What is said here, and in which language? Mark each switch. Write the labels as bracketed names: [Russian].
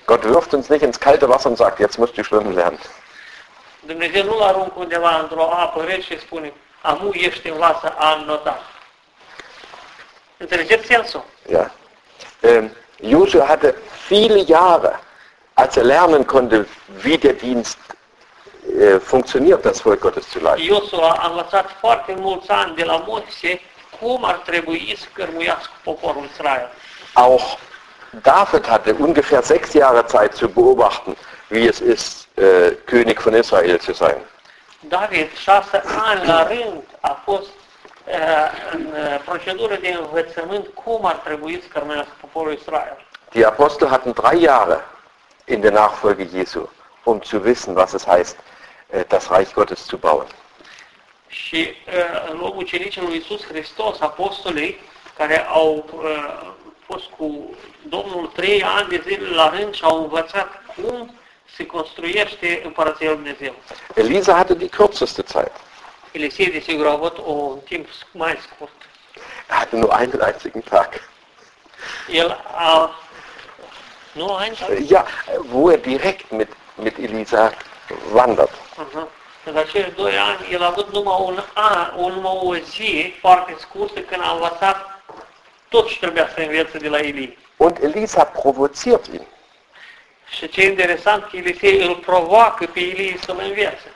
[German] Gott wirft uns nicht ins kalte Wasser und sagt, jetzt musst du schwimmen lernen. [Romanian] Dumnezeu nu l-aruncă undeva într-o apă rece și spune, amu ești în vasă, a înnotat. Înțelegeți sensul? [German] Ja. Josua hatte viele Jahre, als lernen konnte, wie der Dienst funktioniert, das Volk Gottes zu leiten. [Romanian] Josua a învățat foarte mulți ani de la Moise cum ar trebui să cărmuiască poporul Israel. [German] Auch David hatte ungefähr 6 Jahre Zeit zu beobachten, wie es ist, König von Israel zu sein. [Romanian] David 6 ani la rând a fost în procedură de învățământ cum ar trebui să cărmuiască poporul Israel. [German] Die Apostel hatten 3 Jahre in der Nachfolge Jesu, um zu wissen, was es heißt, das Reich Gottes zu bauen. [Romanian] Și în locul ucenicilor lui Iisus Hristos, apostolii care au fost cu Domnul 3 ani de zile la rând și au învățat cum se construiește împărăția lui Dumnezeu. [German] Elisa hatte die kürzeste Zeit. [Romanian] Elisei, desigur, a avut un timp mai scurt. [German] Er hatte nur einen einzigen Tag. [Romanian] El a [German] nur einen Tag? Ja, wo direkt mit Elisa wandert. [Romanian] În acele 2 ani, el a avut numai o zi foarte scurtă când a învățat tot ce trebuia să învețe de la Elie. [German] Und Elisa provoziert ihn. [Romanian] Și ce e interesant, că Elisei îl provoacă pe Elie să-l învețe.